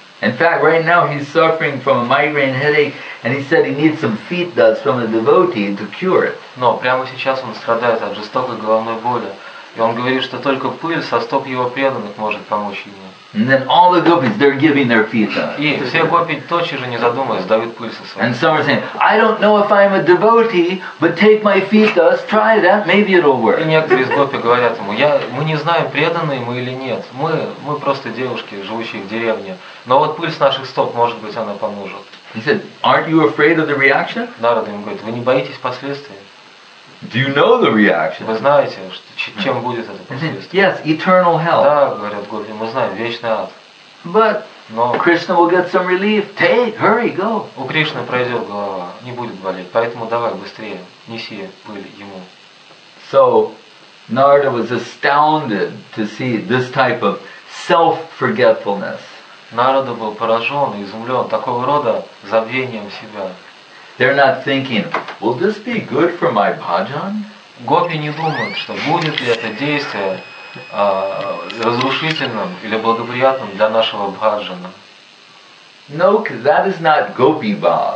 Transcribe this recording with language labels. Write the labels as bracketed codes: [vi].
[en] In fact, right now he's suffering from a migraine headache, and he said he needs some feet dust from a devotee to cure it. [ru] Но прямо сейчас он страдает от жестокой головной боли. И он говорит, что только пыль со стоп его преданных может помочь ему. [en] And then all the gopis, they're giving their feet. [ru] И все гопи тотчас же не задумываясь дают пыль со своих. [en] And some are saying, I don't know if I'm a devotee, but take my feet dust, try that, maybe it'll work. [ru] И некоторые из гопи говорят ему, мы не знаем, преданные мы или нет. Мы просто девушки, живущие в деревне. Но вот пыль с наших стоп, может быть, она поможет. [en] He said, aren't you afraid of the reaction? [ru] Народ ему говорит, вы не боитесь последствий? [en] Do you know the reaction? [ru] Вы знаете, чем будет это последствие? [en] Yes, eternal hell. [ru] Да, говорят гопи, мы знаем, вечный ад. [en] But Krishna will get some relief. Take, hurry, go. [ru] У Кришны пройдет голова, не будет болеть, поэтому давай быстрее, неси пыль ему. [en] So Narada was astounded to see this type of self-forgetfulness. [ru] Нарада был поражен, изумлен такого рода забвением себя. [en] They're not thinking, will this be good for my bhajan? [ru] Гопи не думают, что будет ли это действие разрушительным или благоприятным для нашего бхаджана. [en] No, that is not gopi bhava.